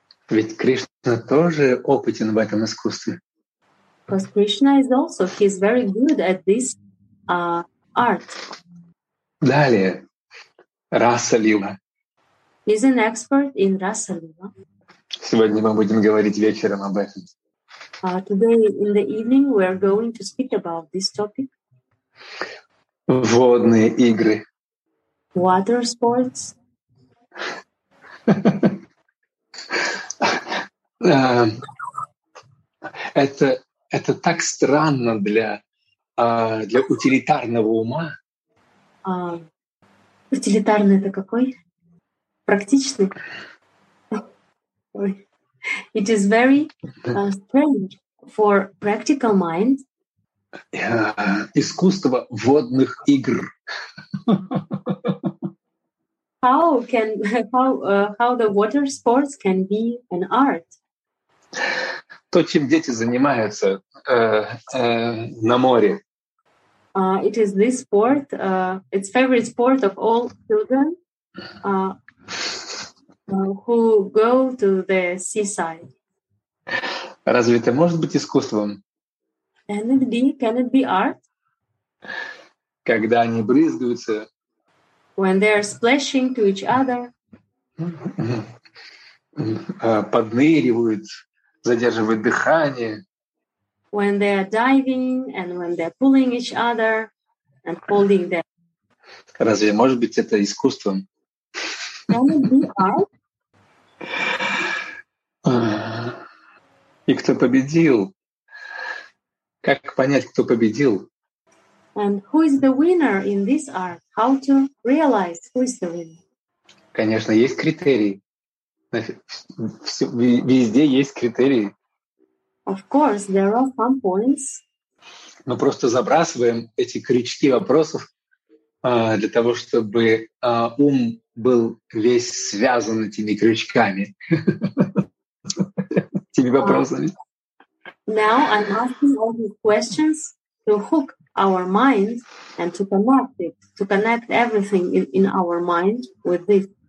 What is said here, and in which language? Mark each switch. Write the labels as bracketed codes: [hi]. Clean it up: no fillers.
[ru] Ведь Кришна тоже опытен в этом искусстве. [en] Because Krishna is also, he's very good at this art. [ru] Далее, Раса-лила. [en] He's an expert in Раса-лила. [ru] Сегодня мы будем говорить вечером об этом. [en] Today in the evening we are going to speak about this topic. [ru] Водные игры. [en] Water sports. [ru] Это так странно для утилитарного ума. Утилитарный это какой? Практичный. [en] It is very strange for practical mind. [ru] Искусство водных игр. [en] how the water sports can be an art? [ru] То, чем дети занимаются на море. [en] It is this sport, its favorite sport of all children who go to the seaside. [ru] Разве это может быть искусством? [en] Can it be art? [ru] Когда они брызгаются. [en] When they are splashing to each other. [ru] Подныривают, задерживают дыхание. [en] When they are diving and when they are pulling each other and holding them. [ru] Разве может быть это искусством? [en] Can it be art? [ru] И кто победил? Как понять, кто победил? [en] And who is the winner in this art? How to realize who is the winner? [ru] Конечно, есть критерии. Везде есть критерии. [en] Of course, there are some points. [ru] Мы просто забрасываем эти крючки вопросов для того, чтобы ум был весь связан этими крючками. [en] Now I'm asking all these questions to hook our mind and to connect it, to connect everything in our mind with this.